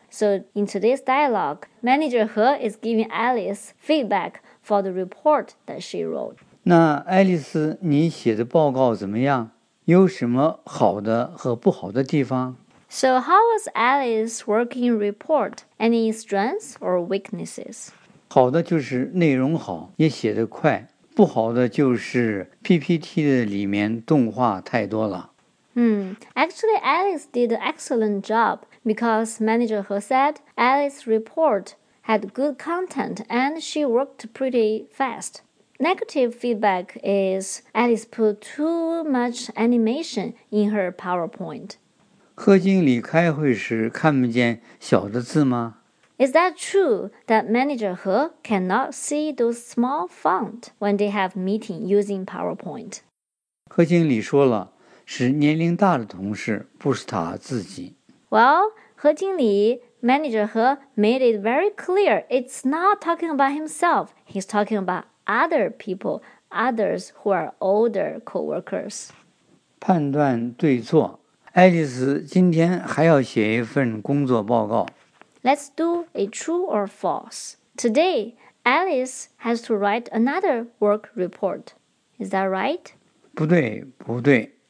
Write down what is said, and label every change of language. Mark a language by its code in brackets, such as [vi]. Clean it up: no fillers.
[en] So in today's dialogue, manager He is giving Alice feedback for the report that she wrote. [zh] 那 Alice, 你写的报告怎么样？有什么好的和不好的地方？ [en] So how was Alice's working report? Any strengths or weaknesses? [zh] 好的就是内容好，也写得快。不好的就是 PPT 的里面动画太多了。 [en] Actually, Alice did an excellent job because manager He said Alice's report had good content and she worked pretty fast. Negative feedback is Alice put too much animation in her PowerPoint. [zh] 贺经理开会时看不见小的字吗？ [en] Is that true that manager He cannot see those small font when they have meeting using PowerPoint? [zh] 贺经理说了，是年龄大的同事，不是他自己。 [en] Well, 贺经理 manager He made it very clear it's not talking about himself. He's talking about other people, others who are older co-workers. [zh] 判断对错，爱丽丝今天还要写一份工作报告。 [en] Let's do a true or false. Today, Alice has to write another work report. Is that right? [zh] 不对，不对。